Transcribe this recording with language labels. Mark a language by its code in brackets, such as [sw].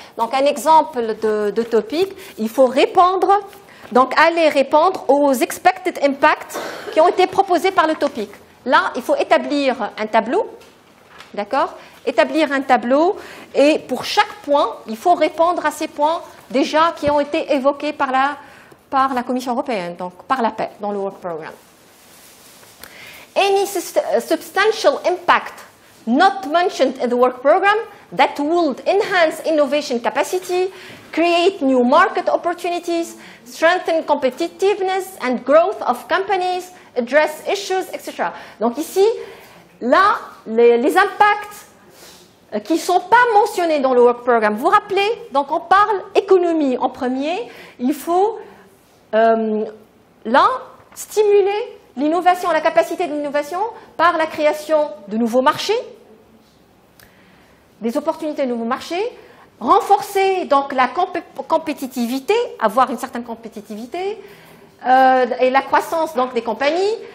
[fr] Donc, un exemple de topic, il faut répondre, donc aller répondre aux expected impacts qui ont été proposés par le topic. Là, il faut établir un tableau, d'accord ? Établir un tableau, et pour chaque point, il faut répondre à ces points déjà qui ont été évoqués par la Commission européenne, donc par la paix dans le work program. [en] Any substantial impact not mentioned in the work program that would enhance innovation capacity, create new market opportunities, strengthen competitiveness and growth of companies, address issues, etc. [fr] Donc ici, là, les impacts qui ne sont pas mentionnés dans le work program, vous rappelez, donc on parle économie en premier, il faut là, stimuler l'innovation, la capacité de l'innovation par la création de nouveaux marchés, des opportunités de nouveaux marchés, renforcer donc la compétitivité, avoir une certaine compétitivité et la croissance donc des compagnies.